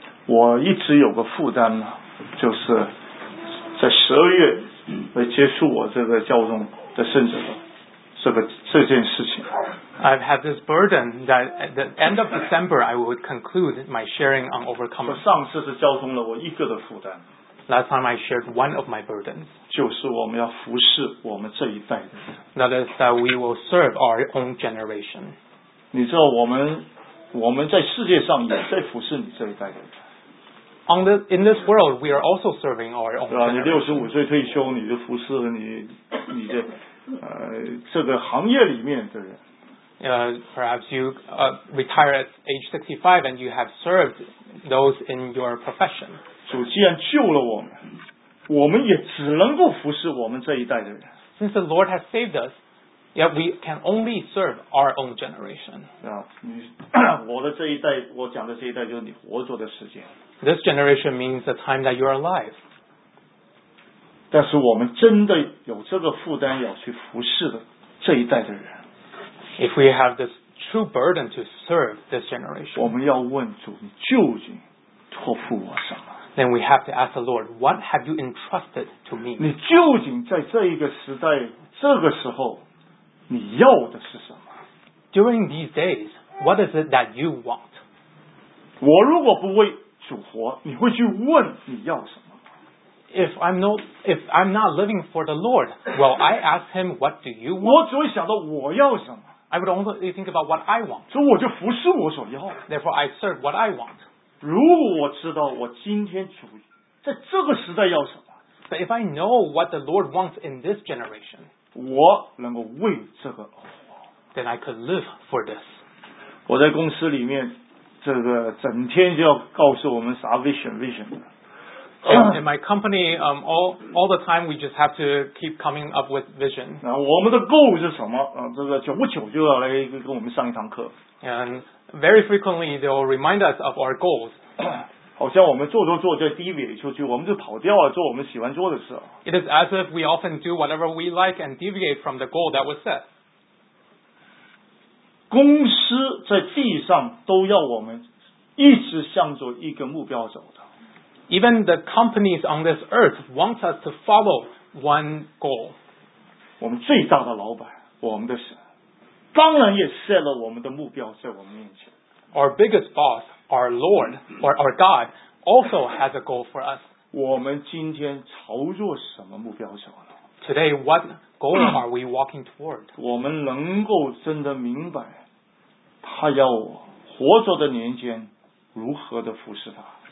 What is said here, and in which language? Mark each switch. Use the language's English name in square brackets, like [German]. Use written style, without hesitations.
[Chinese] 我一直有个负担呢，就是在十二月会结束我这个教宗的圣职，这件事情。 [English] I've had this burden that at the end of December I would conclude my sharing on overcoming. [Chinese] 上次是教宗了我一个的负担。 [English] Last time I shared one of my burdens. [Chinese] 就是我们要服侍我们这一代的人。 [English] That is that we will serve our own generation. [Chinese] 你知道我们在世界上也在服侍你这一代的人。 [English] in this world, we are also serving our own generation. [Chinese] 你65岁退休，你就服侍了你的这个行业里面的人。 [English] Perhaps you retire at age 65 and you have served those in your profession. [Chinese] 主既然救了我们，我们也只能够服侍我们这一代的人。 [English] Since the Lord has saved us, yet we can only serve our own generation. [Chinese] 我的这一代，我讲的这一代就是你活着的时间。 [English] This generation means the time that you are alive. [Chinese] 但是我们真的有这个负担要去服侍的这一代的人。 [English] If we have this true burden to serve this generation, [Chinese] 我们要问主，你究竟托付我什么？ [English] Then we have to ask the Lord, what have you entrusted to me? [Chinese] 你究竟在这一个时代，这个时候，你要的是什么？ [English] During these days, what is it that you want? [Chinese] 我如果不为主活，你会去问你要什么？ [English] If I'm not living for the Lord, well, I ask him, what do you want? [Chinese] 我只会想到我要什么。 [English] I would only think about what I want. [Chinese] 所以我就服侍我所要。 [English] Therefore, I serve what I want. [Chinese] 如果我知道我今天主在这个时代要什么 [English] ，But if I know what the Lord wants in this generation， [Chinese] 我能够为这个而活 [English] ，Then I could live for this。 [Chinese] 我在公司里面，这个整天就要告诉我们啥 vision。 [English] In my company, all the time we just have to keep coming up with vision。 [Chinese] 那我们的 goal 是什么？这个久不久就要来跟我们上一堂课。 [English] And very frequently they'll remind us of our goals. [Chinese] 好像我们做做做就 deviate 出去，我们就跑掉了，做我们喜欢做的事。 [English] It is as if we often do whatever we like and deviate from the goal that was set. [Chinese] 公司在地上都要我们一直向着一个目标走的。 [English] Even the companies on this earth want us to follow one goal. [Chinese] 我们最大的老板，我们的神。当然也 set 了我们的目标在我们面前。 [English] Our biggest boss, our Lord, or our God, also has a goal for us. [Chinese] 我们今天朝着什么目标走呢？ [English] Today, what goal are we walking toward? [Chinese] 我们能够真的明白，他要我活着的年间如何的服侍他。